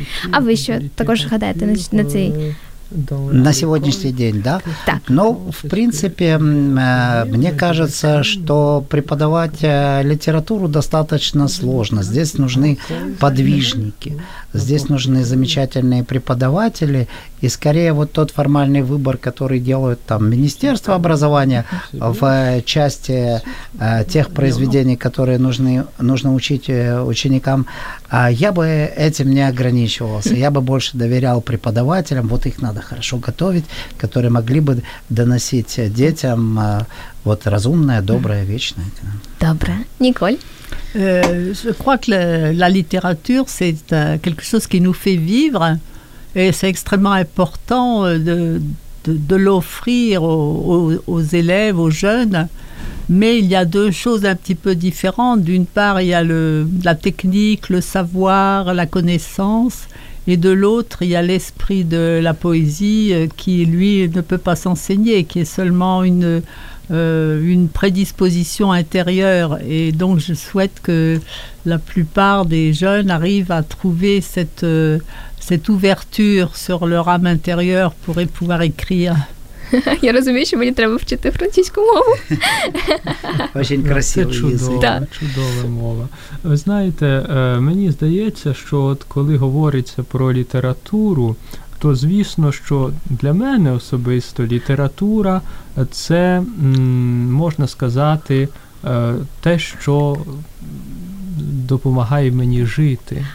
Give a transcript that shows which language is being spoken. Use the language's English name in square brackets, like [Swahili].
[Ukrainian] А ви що, також гадаєте на цей... [Russian] На сегодняшний день, да? [Ukrainian] Так. [Russian] Ну, в принципе, мне кажется, что преподавать литературу достаточно сложно. Здесь нужны подвижники, здесь нужны замечательные преподаватели. И скорее вот тот формальный выбор, который делает там Министерство образования в части тех произведений, которые нужно учить ученикам, я бы этим не ограничивался. Я бы больше доверял преподавателям. Вот их надо хорошо готовить, которые могли бы доносить детям вот разумное, доброе, вечное. Доброе. Николь? [French] Je crois que la littérature, c'est quelque chose qui nous fait vivre et c'est extrêmement important de l'offrir aux élèves, aux jeunes. Mais il y a deux choses un petit peu différentes. D'une part, il y a la technique, le savoir, la connaissance. Et de l'autre, il y a l'esprit de la poésie qui, lui, ne peut pas s'enseigner, qui est seulement une prédisposition intérieure. Et donc, je souhaite que la plupart des jeunes arrivent à trouver cette ouverture sur leur âme intérieure pour pouvoir écrire. [Ukrainian] Я розумію, що мені треба вчити французьку мову. Дуже красивий язик. Чудова мова. Ви знаєте, мені здається, що от коли говориться про літературу, то звісно, що для мене особисто література – це, можна сказати, те, що допомагає мені жити.